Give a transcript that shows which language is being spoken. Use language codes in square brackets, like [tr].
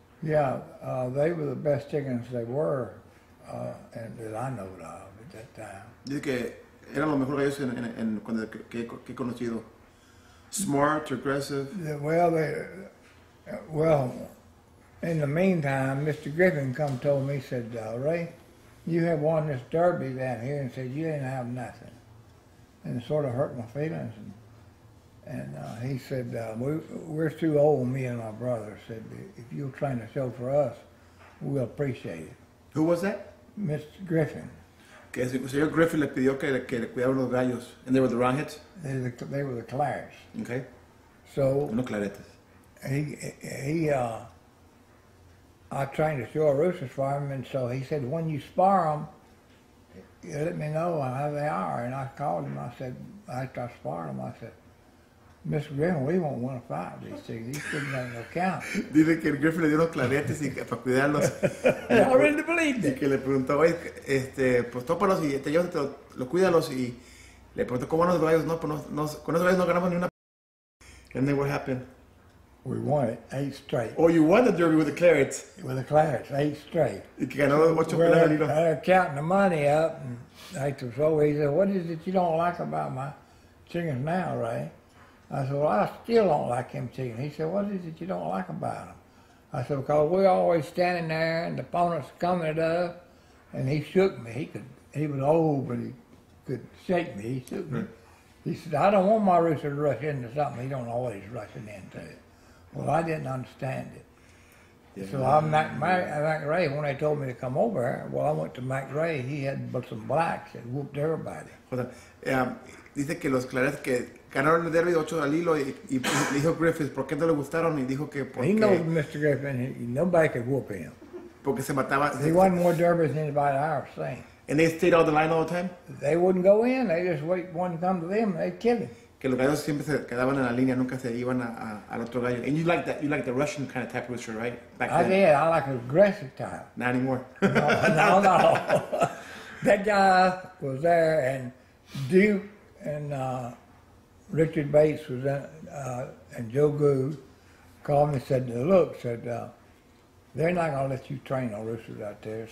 [en] Yeah, they were the best chickens they were, and that I know of at that time. [es] Dice que eran los mejores gallos en cuando que he conocido. [en] Smart, aggressive. Yeah, in the meantime, Mr. Griffin come told me, said, Ray, you have won this derby down here, and said, you ain't have nothing. And it sort of hurt my feelings. And he said, we're too old, me and my brother, said, if you'll train a show for us, we'll appreciate it. Who was that? Mr. Griffin. [es] Que el señor Griffin le pidió que le cuidara unos gallos. [en] And they were the roundheads? They were the clarets. Okay. So, [es] unos claretes. [en] I trained to show a rooster for him, and so he said, when you spar them, you let me know how they are. And I called him, I said, after I sparred him, I said, Mr. Griffin, we won't want to fight these things. These things ain't no count. [es] Dice que el Griffin le dio los claretes para cuidarlos. [en] I really believed it. [es] Y que le preguntó, oye, pues tópalos y te llevas, lo cuídalos. Y le preguntó, ¿cómo van los gallos? No, pues no, con esos gallos no ganamos ni una. [en] And then what happened? We won it 8 straight. Oh, you won the derby with the clarets. With the clarets, 8 straight. They're counting the money up, and they told me, he said, what is it you don't like about my chickens now, Ray? I said, well, I still don't like them chickens. He said, what is it you don't like about them? I said, because we're always standing there, and the opponent's coming at us, and he shook me. He was old, but he could shake me. He shook me. He said, I don't want my rooster to rush into something he don't know what he's rushing into. Well, I didn't understand it. Yeah. So I'm Mac Ray, when they told me to come over, well, I went to Mac Ray, he had some blacks that whooped everybody. [es] Dice que los clarets que ganaron el derby 8 al hilo y dijo Griffith, ¿por qué no le gustaron? Y dijo que porque... [en] He knows Mr. Griffin, nobody could whoop him. [es] Porque se mataba... [en] He won more derbies than anybody I've ever seen. And they stayed on the line all the time? They wouldn't go in, they just wait one to come to them, they'd kill him. [es] Que los gallos siempre se quedaban en la línea, nunca se iban al otro gallo. [en] And you like that, you like the Russian kind of type of rooster, right? Back then. I did, I like aggressive type. Not anymore. No. That guy was there, and Duke and Richard Bates was in, and Joe Goode called me and said, look, said, they're not going to let you train no roosters out there.